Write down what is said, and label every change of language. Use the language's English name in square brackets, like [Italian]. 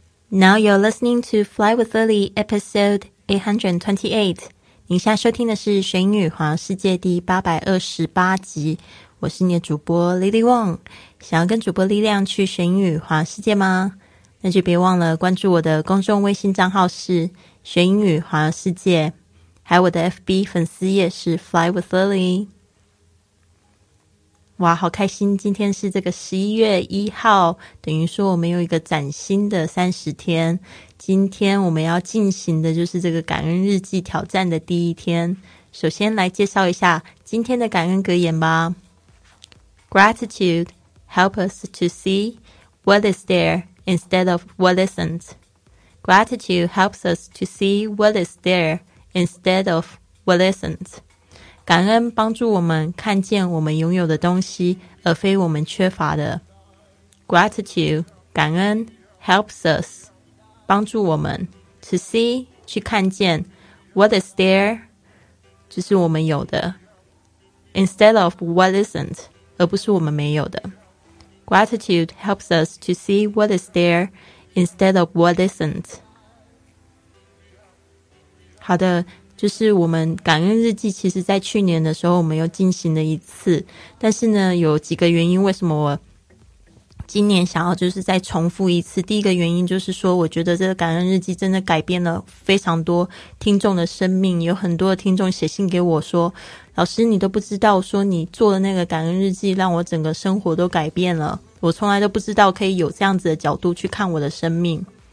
[English] Now you're listening to Fly with Lily, episode 828. [Chinese] 您现在收听的是《学英语环游世界》第828集。我是你的主播 Lily Wong。想要跟主播力量去学英语环游世界吗？那就别忘了关注我的公众微信账号是《学英语环游世界》，还有我的 FB 粉丝页是 Fly with Lily。哇，好开心，今天是这个11月1号，等于说我们有一个崭新的30天。今天我们要进行的就是这个感恩日记挑战的第一天。首先来介绍一下今天的感恩格言吧。 [English] Gratitude helps us to see what is there instead of what isn't. Gratitude helps us to see what is there instead of what isn't. [Chinese] 感恩帮助我们看见我们拥有的东西，而非我们缺乏的。 [English] Gratitude, [Chinese] 感恩 [English] helps us, [Chinese] 帮助我们 [English] to see, [Chinese] 去看见 [English] what is there, [Chinese] 就是我们有的 [English] instead of what isn't, [Chinese] 而不是我们没有的。 [English] Gratitude helps us to see what is there instead of what isn't. [Chinese] 好的，就是我们感恩日记其实在去年的时候我们又进行了一次，但是呢有几个原因为什么我今年想要就是再重复一次。第一个原因就是说我觉得这个感恩日记真的改变了非常多听众的生命，有很多的听众写信给我说，老师你都不知道说你做的那个感恩日记让我整个生活都改变了，我从来都不知道可以有这样子的角度去看我的生命。